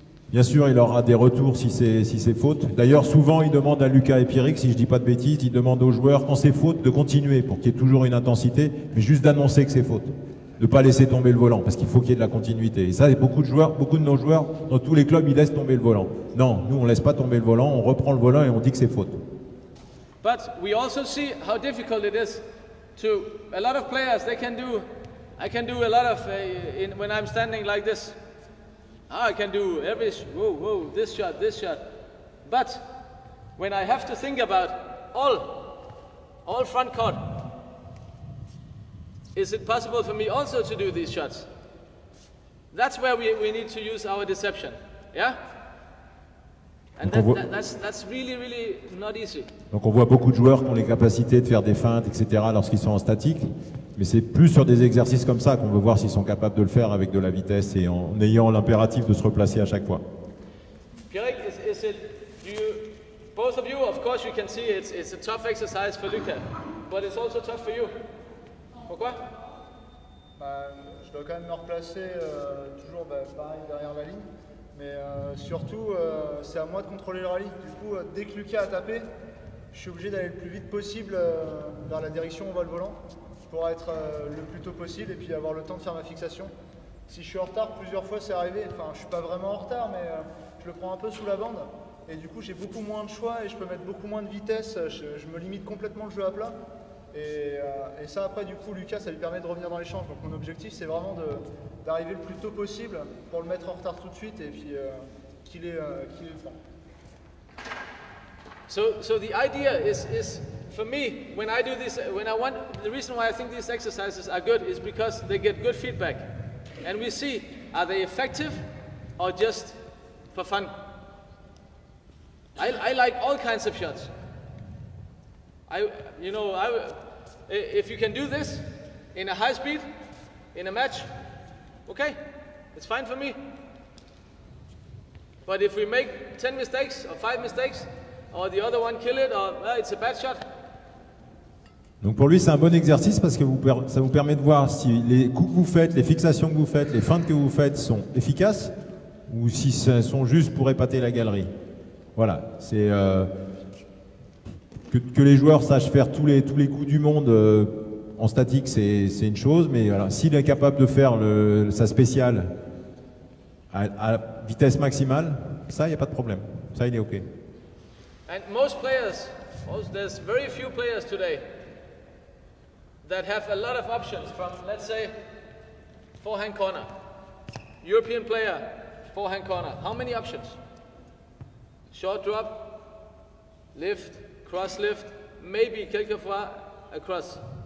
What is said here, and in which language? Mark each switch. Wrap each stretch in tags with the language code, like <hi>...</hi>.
<fr>Bien sûr, il aura des retours si c'est faute. D'ailleurs, souvent, il demande à Lucas et Pierrick, si je dis pas de bêtises, il demande aux joueurs, quand c'est faute, de continuer pour qu'il y ait toujours une intensité, mais juste d'annoncer que c'est faute, de pas laisser tomber le volant, parce qu'il faut qu'il y ait de la continuité. Et ça, beaucoup de nos joueurs, dans tous les clubs, ils laissent tomber le volant. Non, nous, on laisse pas tomber le volant, on reprend le volant et on dit que c'est faute.</fr> <en>But we also see how difficult it is to a lot of players. They can do, I can do a lot of when I'm standing like this. I can do every this shot. But when I have to think about all front court, is it possible for me also to do these shots? That's where we need to use our deception. Yeah? And that's really, really not easy.</en> <fr>Donc on voit beaucoup de joueurs qui ont les capacités de faire des feintes, etc. lorsqu'ils sont en statique. Mais c'est plus sur des exercices comme ça qu'on veut voir s'ils sont capables de le faire avec de la vitesse et en ayant l'impératif de se replacer à chaque fois.</fr> <en>Pierre, is it, do you, both of you, of course you can see it's a tough exercise for Luca, but it's also tough for you.</en> <fr>Pourquoi? Je dois quand même me replacer toujours pareil derrière la ligne, mais surtout c'est à moi de contrôler le rallye. Du coup, dès que Luca a tapé, je suis obligé d'aller le plus vite possible vers la direction où on va le volant pour être le plus tôt possible et puis avoir le temps de faire ma fixation. Si je suis en retard plusieurs fois, c'est arrivé. Enfin, je suis pas vraiment en retard, mais je le prends un peu sous la bande. Et du coup, j'ai beaucoup moins de choix et je peux mettre beaucoup moins de vitesse. Je me limite complètement le jeu à plat. Et ça, après, du coup, Lucas, ça lui permet de revenir dans les champs. Donc, mon objectif, c'est vraiment d'arriver le plus tôt possible pour le mettre en retard tout de suite et puis qu'il ait le temps.</fr> <en>So the idea is for me, when I do this, when I want, the reason why I think these exercises are good is because they get good feedback. And we see, are they effective or just for fun? I like all kinds of shots. If you can do this in a high speed, in a match, okay, it's fine for me. But if we make 10 mistakes or 5 mistakes, or the other one kill it, or it's a bad shot.</en> <fr>Donc pour lui c'est un bon exercice parce que ça vous permet de voir si les coups que vous faites, les fixations que vous faites, les feintes que vous faites sont efficaces ou si ce sont juste pour épater la galerie. Voilà, c'est que les joueurs sachent faire tous les coups du monde en statique, c'est une chose, mais voilà, s'il est capable de faire sa spéciale à vitesse maximale, ça il n'y a pas de problème, ça il est ok.</fr> <en>And most players, there's very few players today that have a lot of options from, let's say, forehand corner. European player, forehand corner. How many options? Short drop, lift, cross lift, maybe</en> <fr>quelquefois</fr> <en>a cross.</en>